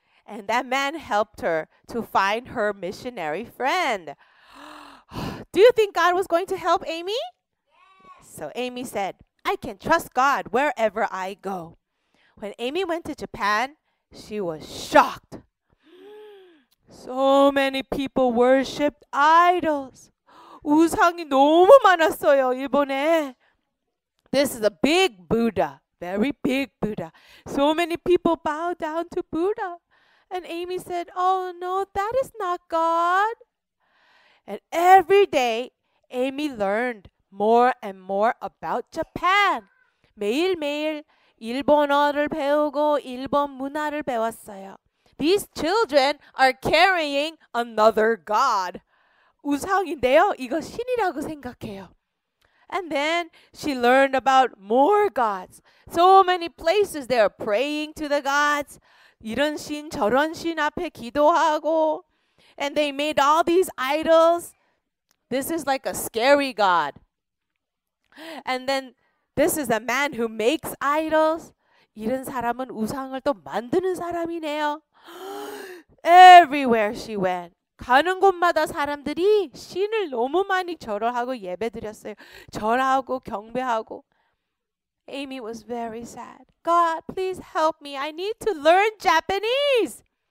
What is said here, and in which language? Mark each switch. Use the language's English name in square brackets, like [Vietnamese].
[English] And that man helped her to find her missionary friend. Do you think God was going to help Amy? Yes. So Amy said, I can trust God wherever I go. When Amy went to Japan, she was shocked. So many people worshipped idols. [Korean] 우상이 너무 많았어요, 이번에. [English] This is a big Buddha, very big Buddha. So many people bow down to Buddha. And Amy said, oh no, that is not God. And every day, Amy learned more and more about Japan. [Korean] 매일매일 일본어를 배우고 일본 문화를 배웠어요. [English] These children are carrying another God. [Korean] 우상인데요, 이거 신이라고 생각해요. [English] And then she learned about more gods. So many places they are praying to the gods. [Korean] 이런 신, 저런 신 앞에 기도하고. [English] And they made all these idols. This is like a scary god. And then this is a man who makes idols. [Korean] 이런 사람은 우상을 또 만드는 사람이네요. [English] Everything. everywhere she went. [Korean] 가는 곳마다 사람들이 신을 너무 많이 절하고 예배드렸어요. 절하고 경배하고. [English] Amy was very sad. God, please help me. I need to learn Japanese.